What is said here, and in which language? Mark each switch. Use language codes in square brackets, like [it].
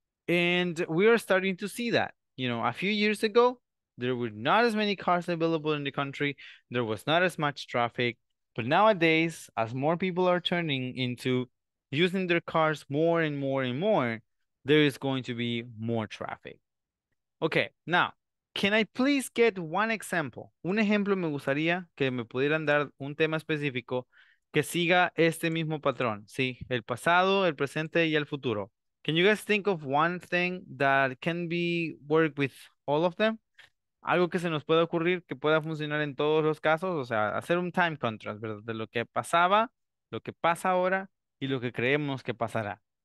[en] And we are starting to see that. You know, a few years ago, there were not as many cars available in the country. There was not as much traffic. But nowadays, as more people are turning into using their cars more and more and more, there is going to be more traffic. Okay, now, can I please get one example? [es] Un ejemplo me gustaría que me pudieran dar un tema específico que siga este mismo patrón, ¿sí? El pasado, el presente y el futuro. [en] Can you guys think of one thing that can be worked with all of them? [es] Algo que se nos pueda ocurrir que pueda funcionar en todos los casos, o sea, hacer un [en] time contrast, [es] ¿verdad? De lo que pasaba, lo que pasa ahora y lo que creemos que pasará.